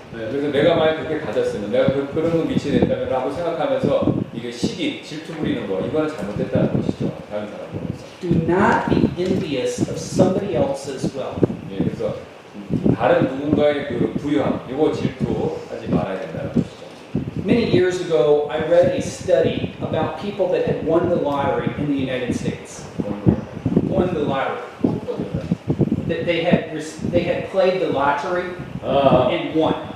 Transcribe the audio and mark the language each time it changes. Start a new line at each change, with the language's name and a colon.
Korean: 네, 그래서 내가 만약 그렇게 가졌으면, 내가 그런 위치에 있다면라고 생각하면서 이게 시기, 질투 부리는 거, 이거는 잘못됐다는 것이죠. 다른 사람은.
English: Do not be envious of somebody else's wealth.
Korean: 예, 그래서 다른 누군가의 그 부유함, 이거 질투하지 말아야 된다는 것이죠.
English: Many years ago, I read a study about people that had won the lottery in the United States. Won the lottery. That they had played the lottery and won.